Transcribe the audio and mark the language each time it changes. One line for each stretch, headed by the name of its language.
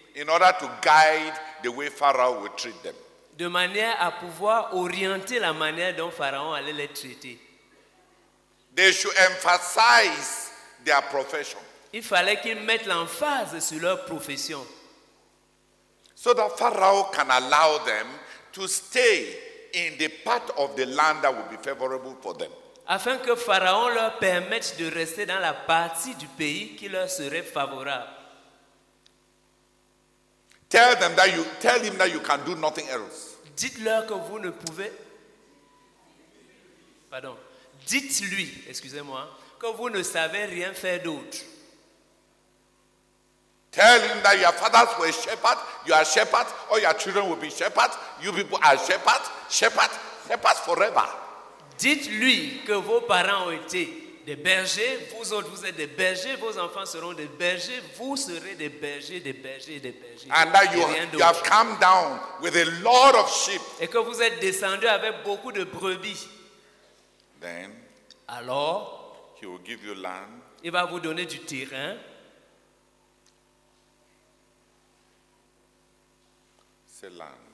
English: In order to guide the way Pharaoh would treat them.
French: De manière à pouvoir orienter la manière dont Pharaon allait les traiter.
English: They should emphasize their profession.
French: Il fallait qu'ils mettent l'emphase sur leur profession.
English: So that Pharaoh can allow them to stay in the part of the land that will be favorable for them.
French: Afin que Pharaon leur permette de rester dans la partie du pays qui leur serait favorable.
English: Tell him that you can do nothing else.
French: Dites-leur que vous ne pouvez. Pardon. Dites-lui, excusez-moi, que vous ne savez rien faire d'autre.
English: Tell him that your fathers were shepherds, you are shepherds, all your children will be shepherds, you people are shepherds, shepherds, shepherds forever.
French: Dites-lui que vos parents ont été des bergers, vous autres vous êtes des bergers, vos enfants seront des bergers, vous serez des bergers, des bergers, des bergers.
English: And that you have come down with a lot of sheep.
French: Et que vous êtes descendu avec beaucoup de brebis.
English: Then,
French: alors,
English: he will give you land.
French: Il va vous donner du terrain. C'est land.